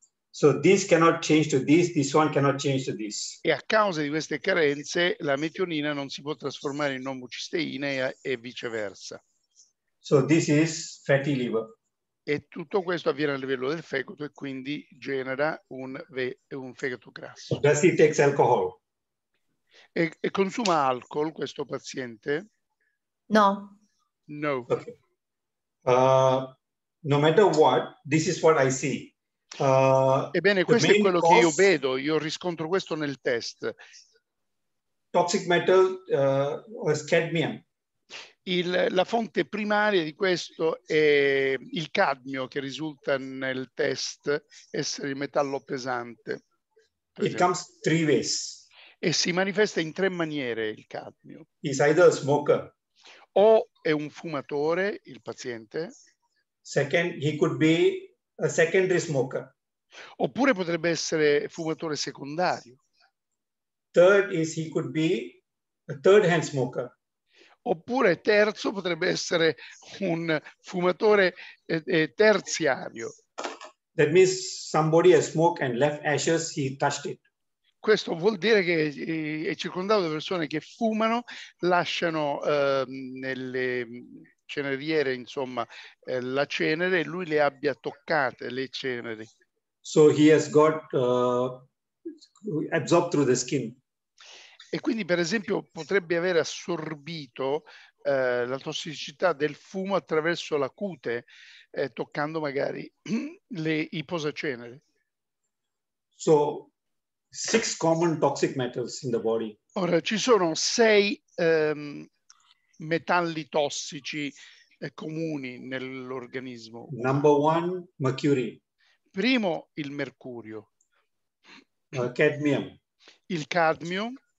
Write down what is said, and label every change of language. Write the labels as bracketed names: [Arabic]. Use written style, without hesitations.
[English] So this cannot change to this, this one cannot change to this. [Italian] E a causa di queste carenze la metionina non si può trasformare in omocisteina e viceversa. [English] So this is fatty liver. [Italian] E tutto questo avviene a livello del fegato e quindi genera un fegato grasso. [English] Does he take alcohol? [Italian] E consuma alcol questo paziente? No. No. [English] Okay. No matter what, this is what I see. [Italian] Ebbene, questo è quello che io vedo, io riscontro questo nel test. [English] Toxic metal is cadmium. [Italian] La fonte primaria di questo è il cadmio che risulta nel test essere il metallo pesante. [English] It comes three ways. [Italian] E si manifesta in tre maniere il cadmio. [English] He's either a smoker. [Italian] O è un fumatore il paziente. [English] Second, he could be a secondary smoker. [Italian] Oppure potrebbe essere fumatore secondario. [English] Third is he could be a third hand smoker. [Italian] Oppure terzo potrebbe essere un fumatore terziario. [English] That means somebody has smoked and left ashes, he touched it. [Italian] Questo vuol dire che è circondato da persone che fumano, lasciano nelle ceneriere, insomma, la cenere e lui le abbia toccate le ceneri. [English] So he has got absorbed through the skin. [Italian] E quindi, per esempio, potrebbe aver assorbito la tossicità del fumo attraverso la cute, toccando magari i posaceneri. [English] So six common toxic metals in the body. [Italian] Ora ci sono sei metalli tossici comuni nell'organismo. [English] Number one, mercury. [Italian] Primo, il mercurio. [English] Cadmium. [Italian] Il cadmio.